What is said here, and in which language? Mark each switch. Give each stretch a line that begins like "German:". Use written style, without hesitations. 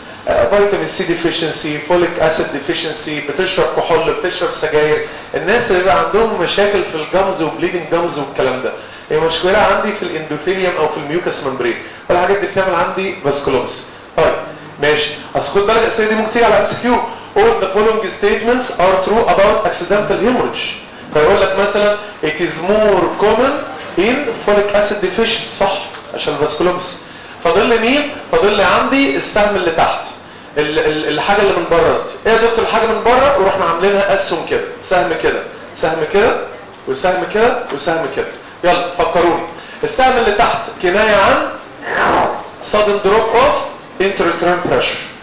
Arabic: فيتامين سي ديفيشنسي، فوليك اسيد ديفيشنسي، بتشرب كحول، بتشرب سجاير، الناس اللي بقى عندهم مشاكل في الجمز وبليدنج جمز والكلام ده. هي مشكله عندي في الاندوثيليوم او في الميوكس ممبرين، فالحاجات دي بتعمل عندي فاسكولوبس. طيب ماشي، اصل خد بالك الاسئله دي ممكن تيجي على ام سي كيو.
English: All the following statements are true about accidental hemorrhage.
Arabic: فيقول لك مثلا
English: it is more common in folic acid deficient،
Arabic: صح؟ عشان الفاسكولوبس. فاضل لي مين؟ فاضل لي عندي السهم اللي تحت. الحاجه اللي من بره قصدي. ايه يا دكتور الحاجه من بره؟ ورحنا عاملينها اسهم كده، سهم كده، سهم كده، وسهم كده، وسهم كده. يلا فكروني. السهم اللي تحت كنايه عن
English: sudden drop of intrauterine pressure.